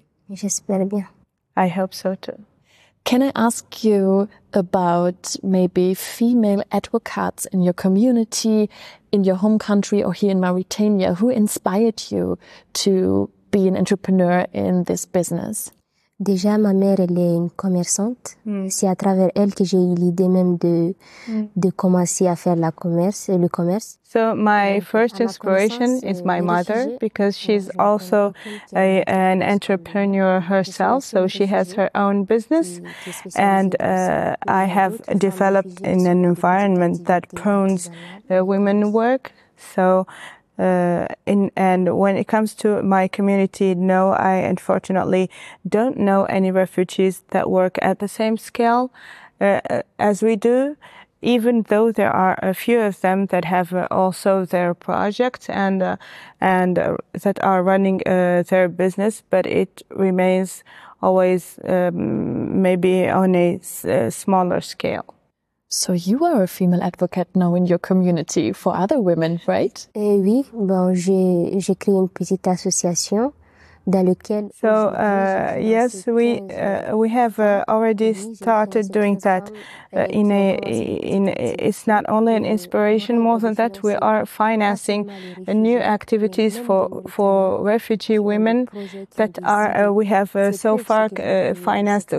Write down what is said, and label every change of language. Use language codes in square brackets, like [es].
[fr] J'espère bien. [en] I hope so too. Can I ask you about maybe female advocates in your community, in your home country or here in Mauritania, who inspired you to be an entrepreneur in this business? [fr] Déjà, ma mère, elle est une commerçante. Mm. C'est à travers elle que j'ai eu l'idée même de commencer à faire la commerce et le commerce. [en] So my first inspiration is my mother, because she's also an entrepreneur herself. So she has her own business, and I have developed in an environment that prunes women work. So and when it comes to my community, no, I unfortunately don't know any refugees that work at the same scale as we do, even though there are a few of them that have also their projects and that are running their business, but it remains always maybe on a smaller scale. So you are a female advocate now in your community for other women, right? [fr] Oui, bon, j'ai créé une petite association dans laquelle. [en] So yes, we have already started doing that. It's not only an inspiration. More than that, we are financing new activities for refugee women that are we have so far financed.